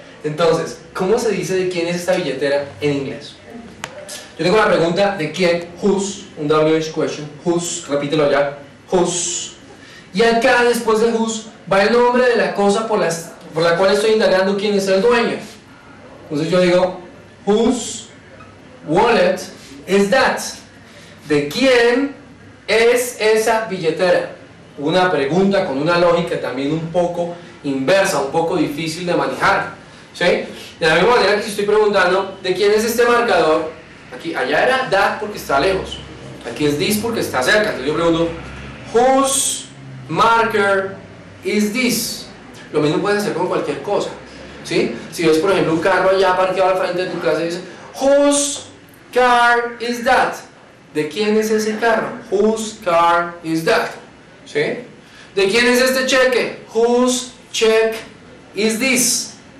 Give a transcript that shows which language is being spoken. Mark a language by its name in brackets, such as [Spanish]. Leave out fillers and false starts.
[Spanish] Entonces, ¿cómo se dice de quién es esta billetera en inglés? Yo tengo la pregunta de quién, whose, un WH question, whose, repítelo allá, whose. Y acá, después de whose, va el nombre de la cosa por la cual estoy indagando quién es el dueño. Entonces yo digo, [English] whose wallet is that? [Spanish] ¿De quién es esa billetera? Una pregunta con una lógica también un poco inversa, un poco difícil de manejar. ¿Sí? De la misma manera que si estoy preguntando, ¿de quién es este marcador? Aquí, allá era that porque está lejos. Aquí es this porque está cerca. Entonces yo pregunto, [English] whose marker is this? [Spanish] Lo mismo puedes hacer con cualquier cosa. ¿Sí? Si ves, por ejemplo, un carro allá parqueado al frente de tu casa y dices, [English] whose car is that? [Spanish] ¿De quién es ese carro? [English] Whose car is that? [Spanish] ¿Sí? ¿De quién es este cheque? [English] Whose check is this?